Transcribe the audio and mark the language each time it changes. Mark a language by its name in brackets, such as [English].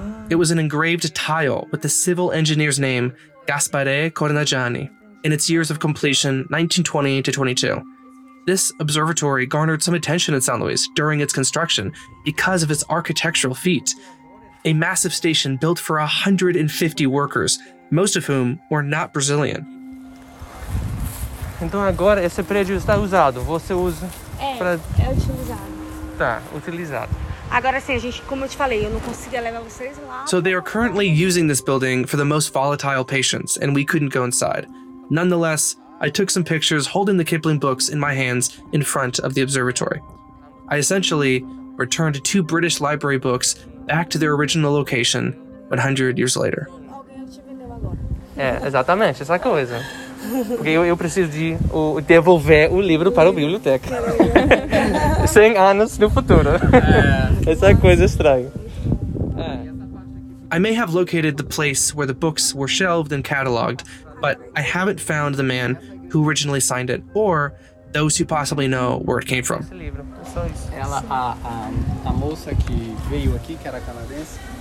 [English] It was an engraved tile with the civil engineer's name, Gaspare Cornagiani, in its years of completion, 1920 to 22. This observatory garnered some attention in San Luis during its construction because of its architectural feat, a massive station built for 150 workers, most of whom were not Brazilian. [Portuguese] Então agora esse prédio está usado, você usa para... É utilizado. Tá, utilizado. Agora sim, a gente, como eu te falei, eu não consigo levar vocês lá. [English] So they are currently using this building for the most volatile patients, and we couldn't go inside. Nonetheless, I took some pictures holding the Kipling books in my hands in front of the observatory. I essentially returned two British library books back to their original location 100 years later. [Portuguese] É, exatamente, essa coisa. Porque eu preciso de devolver o livro para a biblioteca. 100 anos no futuro. Essa coisa estranha. [English] I may have located the place where the books were shelved and cataloged, but I haven't found the man who originally signed it, or those who possibly know where it came from. [Portuguese] A moça que veio aqui, que era canadense,